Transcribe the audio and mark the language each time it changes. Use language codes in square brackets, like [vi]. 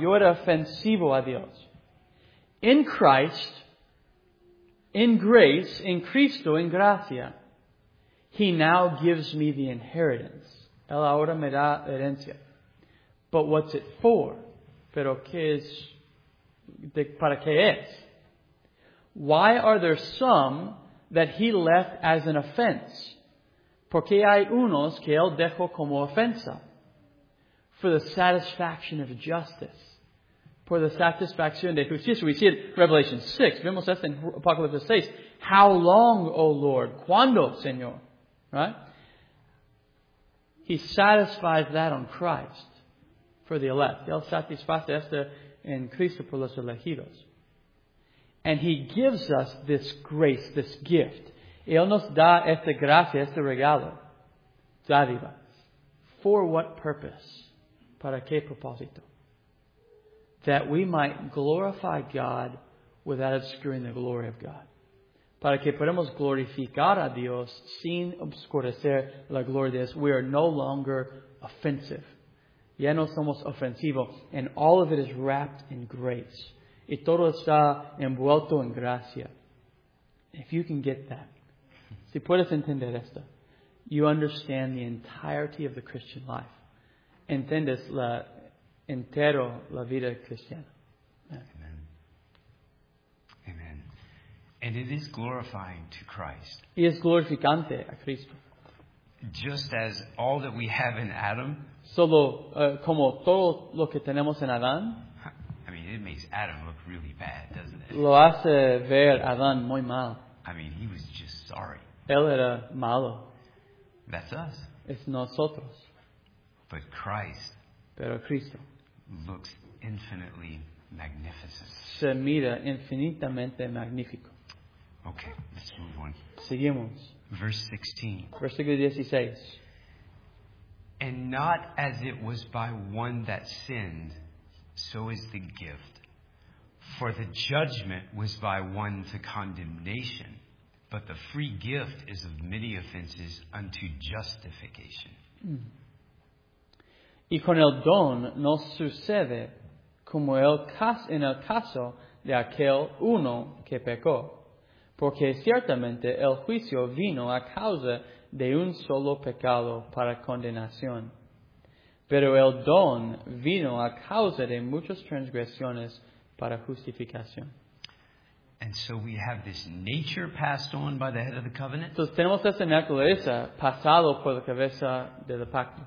[es] Yo era ofensivo a Dios. [en] In Christ, in grace, in Cristo, in gracia, he now gives me the inheritance. [es] Él ahora me da herencia. [en] But what's it for? [es] Pero qué es, para qué es? [en] Why are there some that he left as an offense? [es] Porque hay unos que él dejó como ofensa. [en] For the satisfaction of justice. [es] Por la satisfacción de justicia. [en] We see it in Revelation 6. [es] Vemos esto en Apocalipsis 6. [en] How long, O Lord? [es] ¿Cuándo, Señor? [en] Right? He satisfies that on Christ for the elect. [es] Él satisface esto en Cristo por los elegidos. [en] And he gives us this grace, this gift. [es] Él nos da esta gracia, este regalo. Dádiva. [en] For what purpose? [es] Para qué propósito? [en] That we might glorify God without obscuring the glory of God. [es] Para que podamos glorificar a Dios sin obscurecer la gloria de Dios. [en] We are no longer offensive. [es] Ya no somos ofensivos. [en] And all of it is wrapped in grace. [es] Y todo está envuelto en gracia. [en] If you can get that, [es] si puedes entender esto, [en] you understand the entirety of the Christian life. [es] Entiendes la entero la vida cristiana. [en] Amen. Amen. And it is glorifying to Christ. [es] Y es glorificante a Cristo. [en] Just as all that we have in Adam. [es] Solo como todo lo que tenemos en Adán. [en] I mean, it makes Adam look really bad, doesn't it? [es] Lo hace ver Adán muy mal. [en] I mean, he was just sorry. [es] Él era malo. [en] That's us. [es] Es nosotros. [en] But Christ. [es] Pero Cristo. [en] Looks infinitely magnificent. [es] Se mira infinitamente magnífico. [en] Okay, let's move on. [es] Seguimos. [en] Verse 16. [es] Versículo 16. [en] And not as it was by one that sinned, so is the gift. For the judgment was by one to condemnation, but the free gift is of many offenses unto justification. [es] Y con el don no sucede como en el caso de aquel uno que pecó, porque ciertamente el juicio vino a causa de un solo pecado para condenación. Pero el don vino a causa de muchas transgresiones para justificación. [en] And so we have this nature passed on by the head of the covenant. [es] Entonces tenemos esa naturaleza pasado por la cabeza del pacto.